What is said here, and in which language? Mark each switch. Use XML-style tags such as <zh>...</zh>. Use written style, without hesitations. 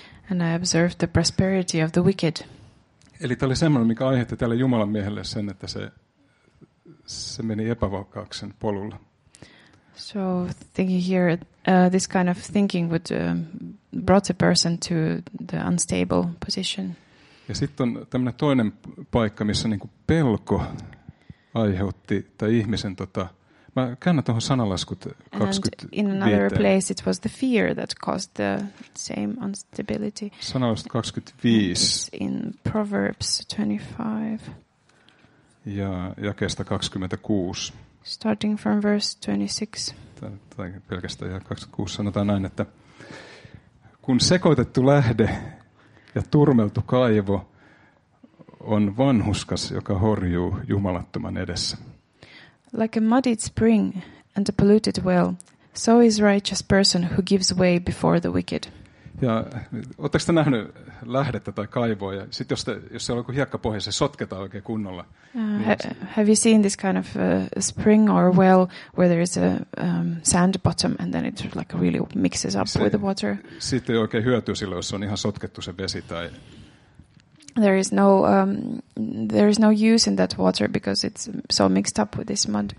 <en>And I observed the prosperity of the wicked.</en> <fi>Eli tämä oli semmoinen, mikä aiheutti tälle Jumalan miehelle sen, että se meni epävakaaksen polulla.</fi> <en>So thinking here, this kind of thinking would brought a person to the unstable position.</en> <fi>Ja sitten on tämmöinen toinen paikka, missä niinku pelko aiheutti tai ihmisen mä käännän tuohon sanalaskut 25.</fi> <en>And in another place it was the fear that caused the same instability.</en> <fi>Sanalaskut 25.</fi> <en>It's in Proverbs 25.</en> <fi>Ja jakeesta 26.</fi> <en>Starting from verse 26.</en> <fi>Tai pelkästään ja 26 sanotaan näin, että kun sekoitettu lähde ja turmeltu kaivo on vanhuskas, joka horjuu jumalattoman edessä.</fi> <en>Like a muddied spring and a polluted well, so is righteous person who gives way before the wicked.</en> <fi>Ja oletteko te nähnyt lähdettä tai kaivoa, ja sitten jos se on joku hiekkapohja, se sotketaan oikein kunnolla.</fi> <en>Have you seen this kind of spring or well where there is a sand bottom and then it like really mixes up with the water?</en> <fi>Sitten ei oikein hyötyä sillä, jos on ihan sotkettu se vesi tai...</fi> <en>There is no use in that water because it's so mixed up with this mud.</en>